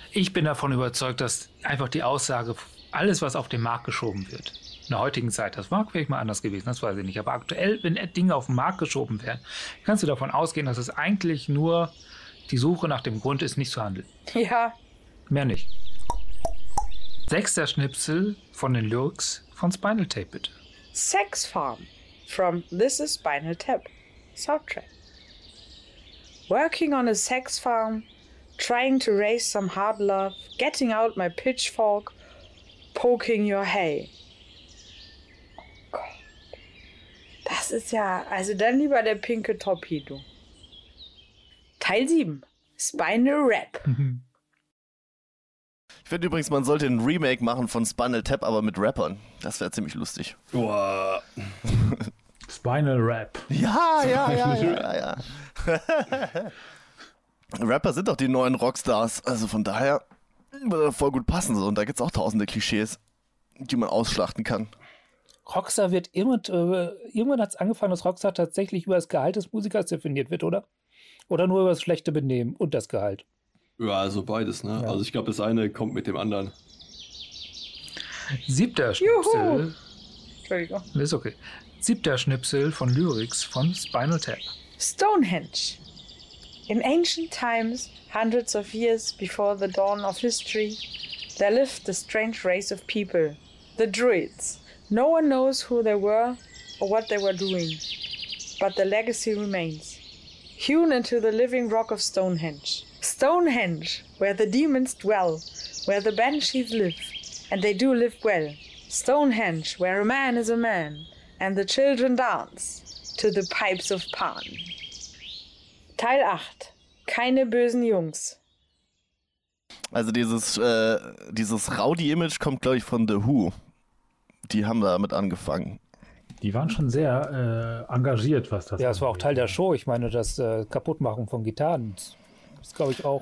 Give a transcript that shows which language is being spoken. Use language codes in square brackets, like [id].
[de] Ich bin davon überzeugt, dass einfach die Aussage, alles, was auf den Markt geschoben wird, in der heutigen Zeit, das mag vielleicht mal anders gewesen, das weiß ich nicht, aber aktuell, wenn Dinge auf den Markt geschoben werden, kannst du davon ausgehen, dass es eigentlich nur die Suche nach dem Grund ist, nicht zu handeln. Ja. Mehr nicht. Sechster Schnipsel von den Lyrics von Spinal Tap, bitte. [en] Sex Farm from This is Spinal Tap Soundtrack. Working on a sex farm, trying to raise some hard love, getting out my pitchfork, poking your hay. [de] Oh Gott. Das ist ja, also dann lieber der pinke Torpedo. Teil 7. Spinal Rap. Ich finde übrigens, man sollte ein Remake machen von Spinal Tap, aber mit Rappern. Das wäre ziemlich lustig. Wow. Spinal Rap. Ja. Rapper sind doch die neuen Rockstars. Also von daher würde voll gut passen. Und da gibt es auch tausende Klischees, die man ausschlachten kann. Rockstar wird irgendwann hat es angefangen, dass Rockstar tatsächlich über das Gehalt des Musikers definiert wird, oder? Oder nur über das schlechte Benehmen und das Gehalt? Ja, also beides, ne? Ja. Also ich glaube, das eine kommt mit dem anderen. Siebter Schnipsel. Entschuldigung. Ist okay. Siebter Schnipsel von Lyrics von Spinal Tap. Stonehenge. [en] In ancient times, hundreds of years before the dawn of history, there lived a strange race of people, the Druids. No one knows who they were or what they were doing, but the legacy remains. Hewn into the living rock of Stonehenge. Stonehenge, where the demons dwell, where the banshees live, and they do live well. Stonehenge, where a man is a man, and the children dance to the pipes of Pan. [de] Teil 8. Keine bösen Jungs. Also dieses Rowdy-Image kommt, glaube ich, von The Who. Die haben damit angefangen. Die waren schon sehr engagiert, was das ist. Ja, es war auch Teil der Show. Ich meine, das Kaputtmachen von Gitarren. Das ist, glaube ich, auch